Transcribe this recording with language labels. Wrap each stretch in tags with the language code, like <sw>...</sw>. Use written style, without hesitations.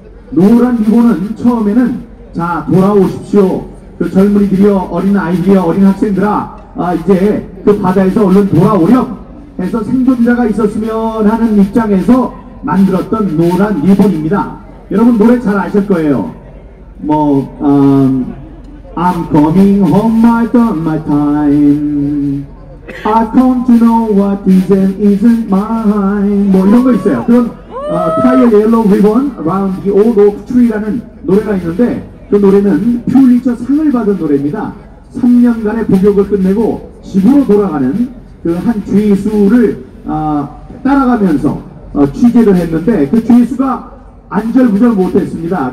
<ko>노란 리본은 처음에는 자 돌아오십시오. 그 젊은이들이여, 어린 아이들이여, 어린 학생들아, 이제 그 바다에서 얼른 돌아오렴 해서 생존자가 있었으면 하는 입장에서 만들었던 노란 리본입니다. 여러분 노래 잘 아실 거예요. 뭐</ko> <en>I'm coming home, I've done my time. I've come to know what is and isn't mine.</en> <ko>뭐 이런 거 있어요. 그런 Tie a Yellow Ribbon Around the Old Oak Tree라는 노래가 있는데, 그 노래는 퓰리처 상을 받은 노래입니다. 3년간의 복역을 끝내고 집으로 돌아가는 그 한 죄수를 따라가면서 취재를 했는데, 그 죄수가 안절부절 못했습니다.</ko>